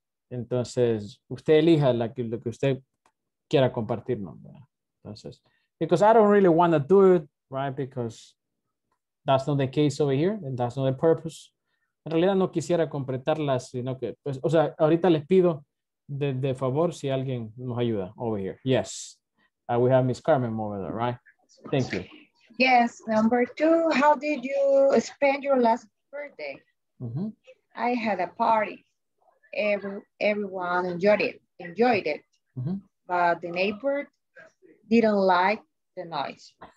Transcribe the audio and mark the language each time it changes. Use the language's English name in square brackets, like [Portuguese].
[Spanish] Entonces, usted elija lo que usted quiera compartir, ¿no? [English] Entonces, because I don't really want to do it, right? Because that's not the case over here, and that's not the purpose. [Spanish] En realidad no quisiera completarlas, sino que, pues, o sea, ahorita les pido de favor si alguien nos ayuda [English] over here. Yes, We have Miss Carmen Moreno, right? Thank you. Yes, number two, how did you spend your last birthday? Mm-hmm. I had a party. Everyone enjoyed it. Mm-hmm. But the neighbor didn't like the noise.